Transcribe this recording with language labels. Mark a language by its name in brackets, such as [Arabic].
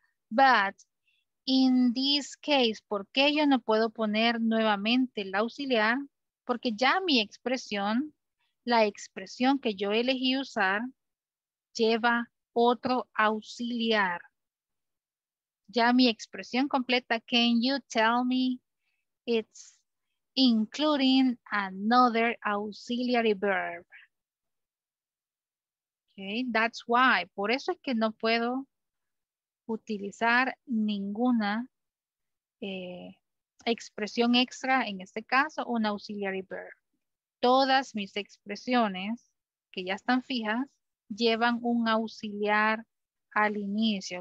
[English] But in this case, [Spanish] ¿por qué yo no puedo poner nuevamente el auxiliar? Porque ya mi expresión, la expresión que yo elegí usar, lleva otro auxiliar. Ya mi expresión completa, [English] can you tell me, it's including another auxiliary verb. Okay, that's why. [Spanish] Por eso es que no puedo utilizar ninguna expresión extra, en este caso, un auxiliary verb. Todas mis expresiones que ya están fijas llevan un auxiliar al inicio.